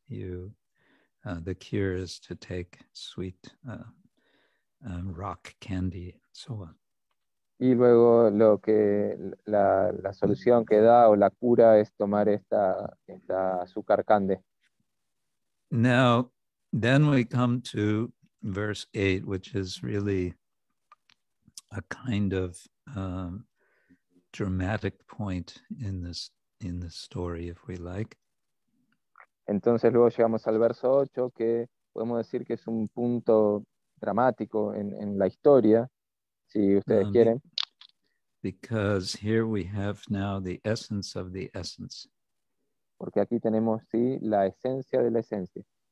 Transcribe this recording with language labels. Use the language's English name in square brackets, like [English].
[English] The cure is to take sweet rock candy, and so on. [Spanish] Y luego lo que la solución que da o la cura es tomar esta azúcar cande. [English] Now, then we come to verse 8, which is really a kind of dramatic point in this story, if we like. [Spanish] Entonces luego llegamos al verso 8, que podemos decir que es un punto dramático en la historia, si ustedes quieren. [English] Because here we have now the essence of the essence. [Spanish] Porque aquí tenemos, sí, la esencia de la esencia.